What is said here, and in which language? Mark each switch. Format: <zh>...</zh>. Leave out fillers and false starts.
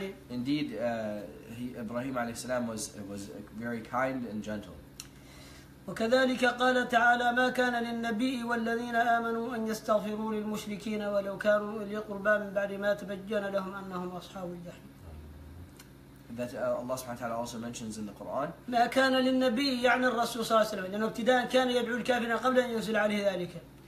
<en>Indeed, Ibrahim alayhi salam was very kind and gentle.</en> <ar>وكذلك قال تعالى ما كان للنبي والذين آمنوا أن يستغفروا للمشركين ولو كانوا ليقربا من بعد ما تبجن لهم أنهم أصحاب الجحيم.</ar> <en>That Allah subhanahu wa ta'ala also mentions in the Quran.</en> <ar>ما كان للنبي يعني الرسول صلى الله عليه وسلم لأنه ابتداء كان يدعو الكافرين قبل أن ينزل عليه ذلك.</ar>